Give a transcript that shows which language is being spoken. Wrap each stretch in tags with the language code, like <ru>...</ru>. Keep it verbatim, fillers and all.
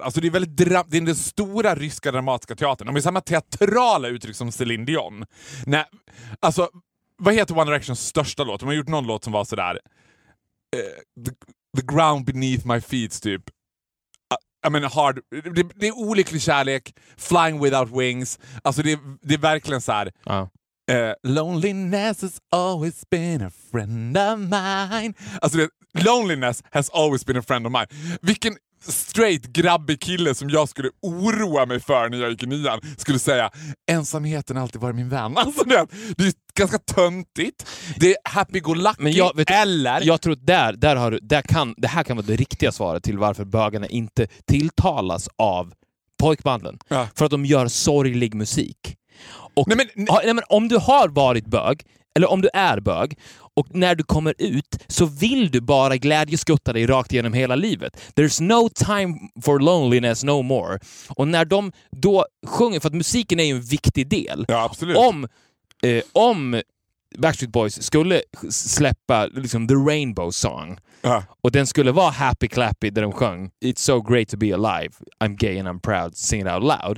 <sv>Alltså det är väldigt dra- det är den stora ryska dramatiska teatern. De är samma teatrala uttryck som Céline Dion. Nej, alltså vad heter One Directions största låt? De har gjort någon låt som var så där uh, the,</sv> <en>the ground beneath my feet</en> <sv>typ.</sv> <en>I mean,</en> <sv>hard det, det är olycklig kärlek,</sv> <en>flying without wings.</en> <sv>Alltså det, det är verkligen så här uh.</sv> <en>Uh, loneliness has always been a friend of mine.</en> <sv>Alltså det,</sv> <en>loneliness has always been a friend of mine.</en> <sv>Vilken straight grabbig kille som jag skulle oroa mig för när jag gick i nian skulle säga, ensamheten har alltid varit min vän. Alltså det, det är ganska töntigt. Det är happy-go-lucky. Men jag, vet du, eller... jag tror att där, där har du, där kan, det här kan vara det riktiga svaret till varför bögarna inte tilltalas av pojkbanden. Ja. För att de gör sorglig musik. Och, nej, men, nej. Ja, nej, men om du har varit bög eller om du är bög och när du kommer ut så vill du bara glädjeskutta dig rakt igenom hela livet.</sv> <en>There's no time for loneliness no more.</en> <sv>Och när de då sjunger, för att musiken är ju en viktig del. Ja, absolut. Om, eh, om Backstreet Boys skulle släppa liksom The Rainbow Song uh-huh. och den skulle vara happy clappy där de sjöng</sv> <en>It's so great to be alive, I'm gay and I'm proud, sing it out loud.</en>